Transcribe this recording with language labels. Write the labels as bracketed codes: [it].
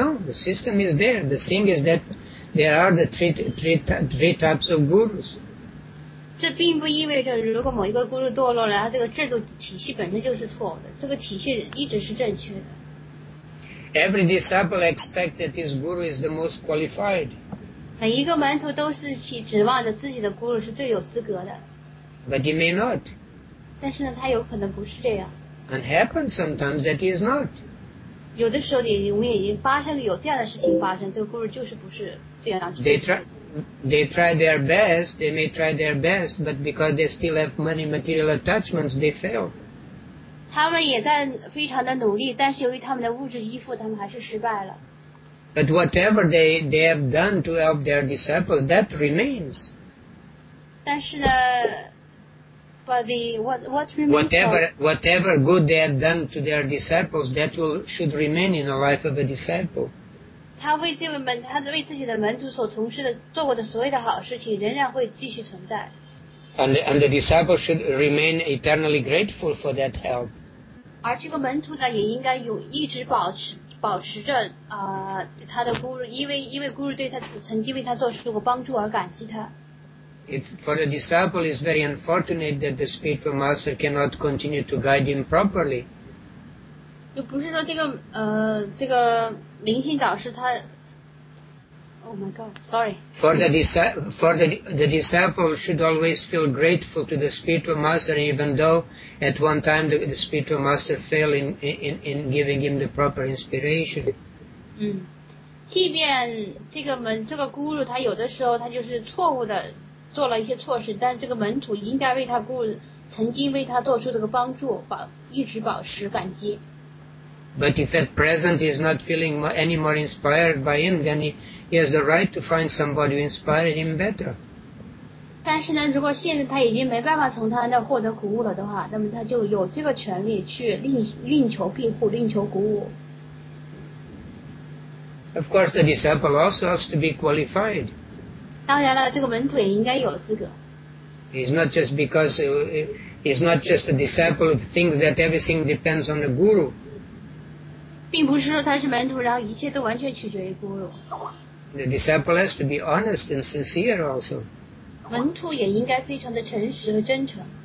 [en] No, the system is there. The thing is that there are the three types of gurus. [zh] 这并不意味着如果某一个 guru 堕落了，这个制度体系本身就是错的。这个体系一直是正确的。 [en] Every disciple expects that his guru is the most qualified. [zh] 每一个门徒都是其指望着自己的 guru 是最有资格的。 [en] But he may not. [zh] 但是呢，他有可能不是这样。 [en] And happens sometimes that he is not. [zh] 有的时候也，我们也已经发生有这样的事情发生，这个 guru 就是不是这样。 [en] They try their best, they may try their best, but because they still have many material attachments, they fail. [zh] 他们也在非常的努力，但是由于他们的物质依附，他们还是失败了。 [en] But whatever they have done to help their disciples, that remains. [zh] 但是呢 [en] what remains? Whatever good they have done to their disciples, that should remain in the life of a disciple. [zh] 他为自己的门徒所从事的做过的所有的好事情，仍然会继续存在。 [en] And the disciples should remain eternally grateful for that help. [zh] 而这个门徒呢，也应该有一直保持着他的咕噜，因为咕噜对他曾经为他做出过帮助而感激他。 [en] It's for the disciple is very unfortunate that the spiritual master cannot continue to guide him properly. [zh] 就不是说这个灵性导师他。 [en] Oh my God, sorry. For the disciple should always feel grateful to the spiritual master, even though at one time the spiritual master failed in giving him the proper inspiration. [zh] 即便这个咕噜他有的时候他就是错误的做了一些错事，但是这个门徒应该为他咕噜曾经为他做出这个帮助，一直保持感激。 [en] But if at present he is not feeling any more inspired by him, then he has the right to find somebody who inspired him better. [zh] 但是呢，如果现在他已经没办法从他那获得鼓舞了的话，那么他就有这个权利去另求庇护，另求鼓舞。 [en] Of course, the disciple also has to be qualified. [zh] 当然了，这个门徒也应该有资格。 [en] He's not just a disciple who thinks that everything depends on the guru. [zh] 并不是说他是门徒，然后一切都完全取决于咕噜。 [en] The disciple has to be honest and sincere also. [zh] 门徒也应该非常的诚实和真诚。